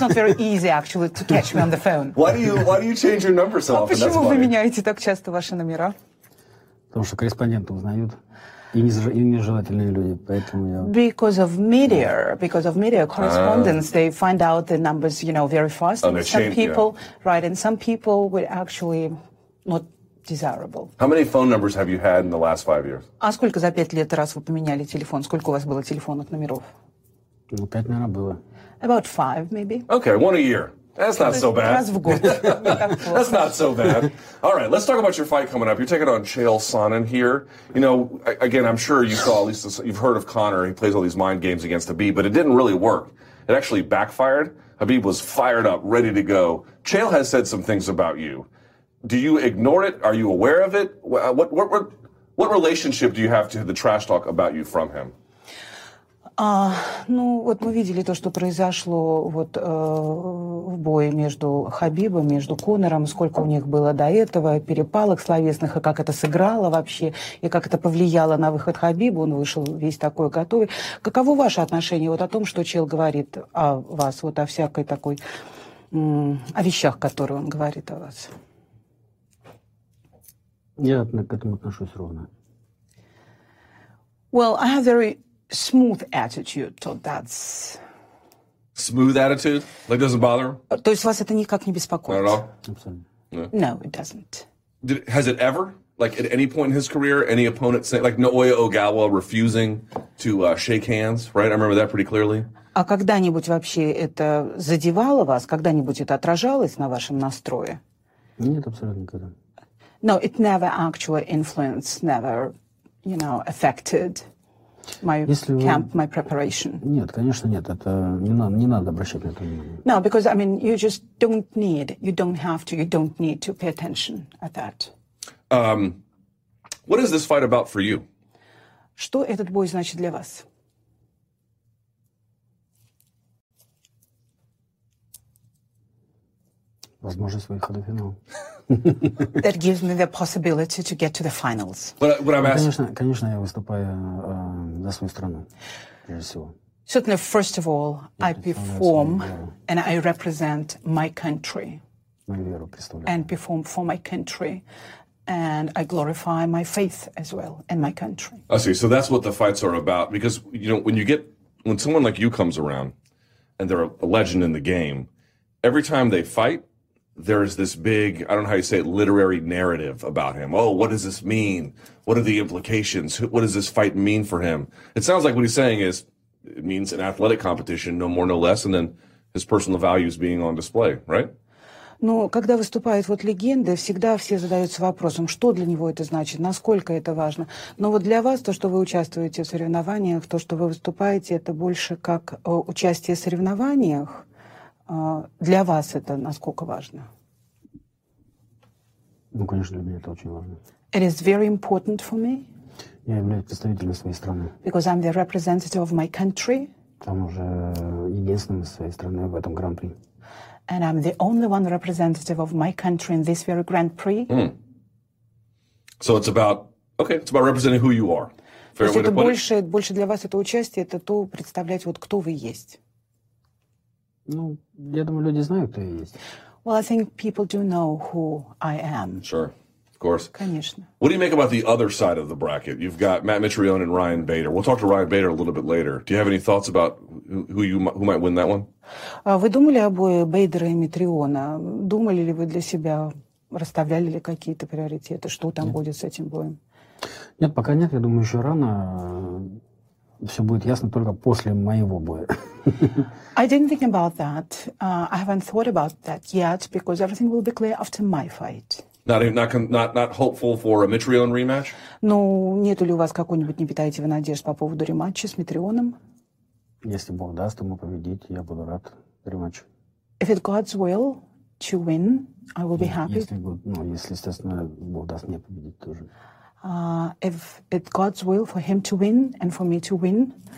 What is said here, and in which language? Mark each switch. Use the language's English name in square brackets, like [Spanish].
[English] not very easy, actually, to catch me on the phone. Why do you change your number so often? [Russian] Почему вы меняете так часто ваши номера? Потому что корреспонденты узнают. И нежелательные люди, поэтому я... [English] Because of media correspondence, they find out the numbers, you know, very fast. And some people were actually not desirable. How many phone numbers have you had in the last 5 years? [Russian] А сколько за 5 лет раз вы поменяли телефон? Сколько у вас было телефонных номеров? Ну, 5, наверное, было. [English] About 5, maybe. Okay, one a year. That's not so bad. That's not so bad. All right, let's talk about your fight coming up. You're taking on Chael Sonnen here. You know, again, I'm sure you saw, at least you've heard of Conor. He plays all these mind games against Habib, but it didn't really work. It actually backfired. Habib was fired up, ready to go. Chael has said some things about you. Do you ignore it? Are you aware of it? What relationship do you have to the trash talk about you from him? [Russian] Ну, вот мы видели то, что произошло вот в бою между Хабибом, между Конором, сколько у них было до этого перепалок словесных, и как это сыграло вообще, и как это повлияло на выход Хабиба, он вышел весь такой готовый. Каково ваше отношение вот о том, что Чел говорит о вас, вот о всякой такой, о вещах, которые он говорит о вас? Я к этому отношусь ровно. [English] Well, I have very... smooth attitude, so that's... Smooth attitude? Like, doesn't bother him? [Russian] То есть вас это никак не беспокоит? [English] Not at all? No, it doesn't. Has it ever, like, at any point in his career, any opponent say, like, Naoya Ogawa refusing to shake hands, right? I remember that pretty clearly. [Russian] А когда-нибудь вообще это задевало вас? Когда-нибудь это отражалось на вашем настрое? Нет, абсолютно никогда. [English] No, it never actually influenced, never, you know, affected... My preparation. [Russian] Нет, конечно, нет. Это не надо обращать на это внимание. [English] No, because I mean, you just don't need, you don't have to, you don't need to pay attention at that. What is this fight about for you? [Russian] Что этот бой значит для вас? Возможность выхода в финал. [English] That gives me the possibility to get to the finals. But I'm asking. [Russian] Конечно, конечно, я выступаю за свою страну, прежде всего. [English] Certainly, first of all, I perform and I represent my country. [Russian] Мою веру представляю. [English] And perform for my country, and I glorify my faith as well and my country. I see. So that's what the fights are about. Because you know, when someone like you comes around, and they're a legend in the game, every time they fight. There is this big, I don't know how you say it, literary narrative about him. Oh, what does this mean? What are the implications? What does this fight mean for him? It sounds like what he's saying is it means an athletic competition, no more, no less, and then his personal values being on display, right? [Russian] Ну, когда выступают вот легенды, всегда все задаются вопросом, что для него это значит, насколько это важно. Но вот для вас то, что вы участвуете в соревнованиях, то, что вы выступаете, это больше как участие в соревнованиях. Для вас это насколько важно? Ну, конечно, для меня это очень важно. [English] It is very important for me. [Russian] Я являюсь представителем своей страны. [English] Because I'm the representative of my country. [Russian] Там уже единственным из своей страны в этом гран-при. [English] And I'm the only one representative of my country in this very Grand Prix. Mm. So it's about, okay, it's about representing who you are. Fair way to put it. [Russian] Больше для вас это участие, это то представлять вот кто вы есть. Ну, я думаю, люди знают, кто я есть. [English] Well, I think people do know who I am. Sure, of course. [Russian] Конечно. [English] What do you make about the other side of the bracket? You've got Matt Mitrione and Ryan Bader. We'll talk to Ryan Bader a little bit later. Do you have any thoughts about who might win that one? [Russian] Вы думали о бою Бейдера и Митриона? Думали ли вы для себя, расставляли ли какие-то приоритеты? Что там будет с этим боем? Нет, пока нет. Я думаю, еще рано. Все будет ясно только после моего боя. [English] I didn't think about that. I haven't thought about that yet because everything will be clear after my fight. Not hopeful for a Mitrione rematch? [Russian] Ну, нет ли у вас какой-нибудь, не питаете вы надежд по поводу рематча с Митрионом? Если Бог даст ему победить, я буду рад рематчу. [English] If it's God's will to win, I will be happy. [Russian] Если, естественно, Бог даст мне победить тоже. [English] if it's God's will for him to win and for me to win.